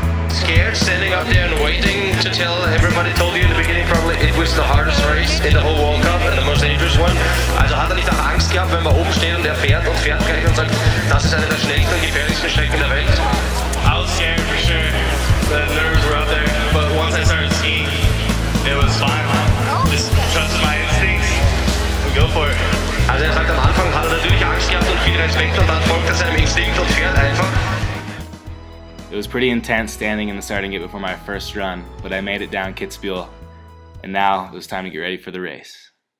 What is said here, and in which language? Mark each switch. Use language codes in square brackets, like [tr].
[en] Scared, standing up there and waiting to tell everybody told you in the beginning probably it was the hardest race in the whole World Cup and the most dangerous one. [de] Also hat nicht auch Angst gehabt, wenn man oben steht und fährt und fährt gleich und sagt, das ist eine der schnellsten und gefährlichsten Strecken in der Welt. [en] I was scared for sure. The nerves were up there, but once I started skiing, it was fine. Just trust my instincts and go for it. [de] Also sagt, am Anfang hat natürlich Angst gehabt und viel Respekt und dann folgt seinem Instinkt und fährt einfach. [en] It was pretty intense standing in the starting gate before my first run, but I made it down Kitzbühel, and now it was time to get ready for the race.